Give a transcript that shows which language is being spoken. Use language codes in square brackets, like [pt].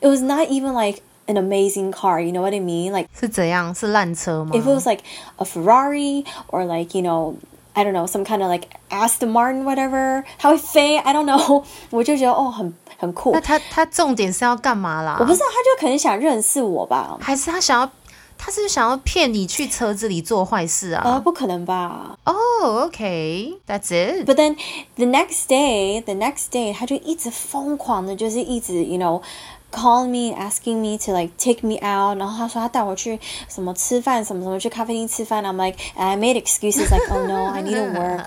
[en] It was not even likeAn amazing car, you know what I mean? Like, [zh] 是怎样？是烂车吗？ [en] If it was like a Ferrari or like, you know, I don't know, some kind of like Aston Martin, whatever, how it fit, I don't know. [zh] 我就觉得哦，很酷。那他重点是要干嘛啦？我不知道，他就可能想认识我吧？还是他想要？他是想要骗你去车子里做坏事啊？不可能吧？ [en] 哦、okay, that's it. But then the next day, [zh] 他就一直疯狂的，就是一直 [en] you know. Calling me, asking me to like take me out. [zh] 然后他说他带我去什么吃饭，什么什么去咖啡厅吃饭。 [en] I'm like, and I made excuses like, oh no, I need to work.